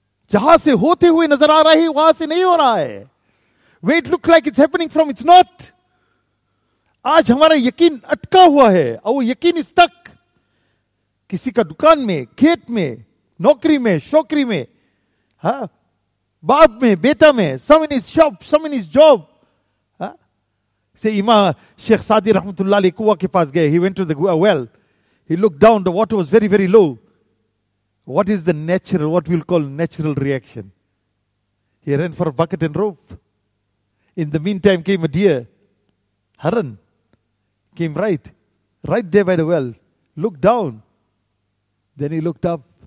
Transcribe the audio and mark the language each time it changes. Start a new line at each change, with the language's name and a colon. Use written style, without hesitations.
Hindi: जहां से होते हुए नजर आ रहा है वहां से नहीं हो रहा है.
English: Where it looks like it's happening from, it's not.
Hindi: आज हमारा यकीन अटका हुआ है और वो यकीन स्टक किसी का दुकान में, खेत में, नौकरी में, शौकरी में, हा? बाप में, बेटा में,
English: Some in is shop, some in is job.
Hindi: से इमाम शेख सादी रहमतुल्लाह अलैह कुआ के पास गए.
English: He went to the well. He looked down, the water was very, very low. What is the natural, what we'll call natural reaction? He ran for a bucket and rope. In the meantime came a deer. Haran came right there by the well. Looked down. Then he looked up.